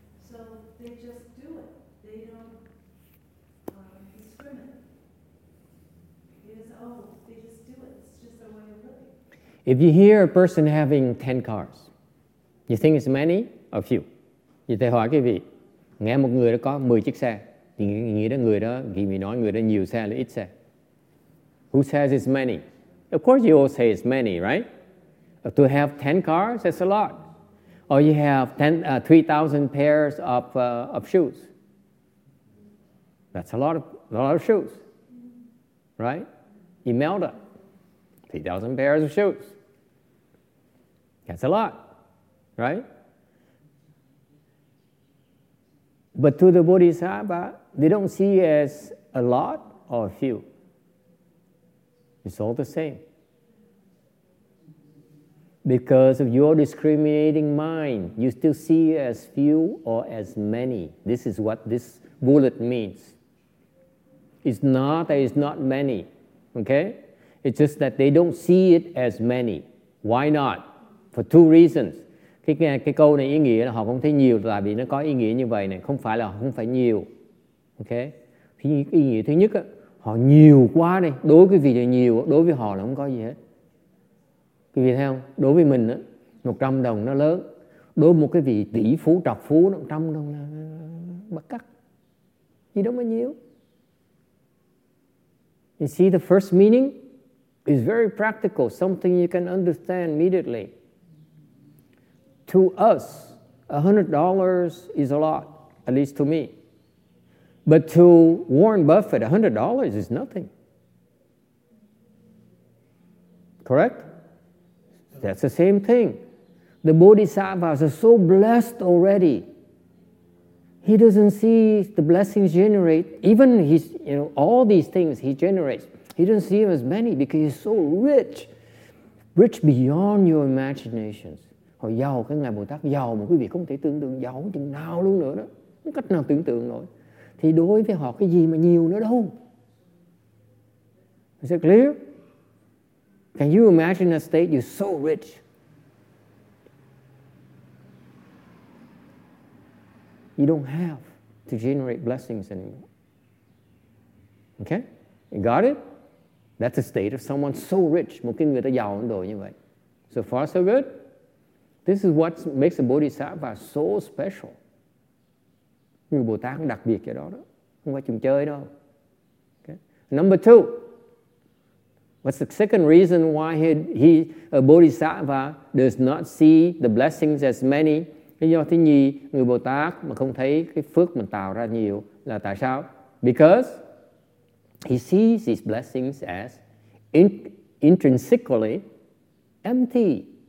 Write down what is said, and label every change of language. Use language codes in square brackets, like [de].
[en] So they just do it. They don't discriminate. It is, they just do it. It's just a way of living. If you hear a person having 10 cars, you think it's many or few? [vi] Vậy thầy hỏi quý vị, nghe một người đó có 10 chiếc xe, thì nghĩ đến người đó, thì mình nói người đó nhiều xe là ít xe. [en] Who says it's many? Of course you all say it's many, right? To have 10 cars, that's a lot. Or you have 3,000 pairs of shoes. That's a lot of shoes, right? Imelda, 3,000 pairs of shoes. That's a lot, right? But to the Bodhisattva, they don't see it as a lot or a few. It's all the same. Because of your discriminating mind, you still see it as few or as many. This is what this bullet means. It's not that it's not many, okay? It's just that they don't see it as many. Why not? For two reasons. [vi] Cái câu này ý nghĩa là họ không thấy nhiều tại vì nó có ý nghĩa như vậy này, không phải là không phải nhiều. Ok? Thì ý nghĩa thứ nhất á, họ nhiều quá này, đối với vị là nhiều, đối với họ là không có gì hết. Quý vị thấy không? Đối với mình á, 100 đồng nó lớn, đối với một cái vị tỷ phú, trọc phú, 100 đồng là bất cắc. Gì đâu mà nhiều. [en] You see the first meaning? It's very practical, something you can understand immediately. To us, $100 is a lot, at least to me. But to Warren Buffett, $100 is nothing. Correct? That's the same thing. The Bodhisattvas are so blessed already. He doesn't see the blessings generate. Even his, you know, all these things he generates, he doesn't see them as many because he's so rich. Rich beyond your imaginations. [vi] Họ giàu, cái ngài Bồ Tát giàu mà quý vị không thể tưởng tượng, giàu chừng nào luôn nữa đó, không cách nào tưởng tượng nổi. Thì đối với họ cái gì mà nhiều nữa đâu. [en] Is it clear? Can you imagine a state you're so rich? You don't have to generate blessings anymore. Okay? You got it? That's the state of someone so rich, [vi] một cái người ta giàu đến độ như vậy. [en] So far so good? This is what makes a Bodhisattva so special. [vi] Như Bồ Tát đặc biệt cái đó đó. Không phải chừng chơi đâu. [en] Okay. Number two. What's the second reason why he a Bodhisattva does not see the blessings as many? [vi] Lý do thứ nhì, người Bồ Tát mà không thấy cái phước mình tạo ra nhiều là tại sao? [en] Because he sees his blessings as intrinsically empty.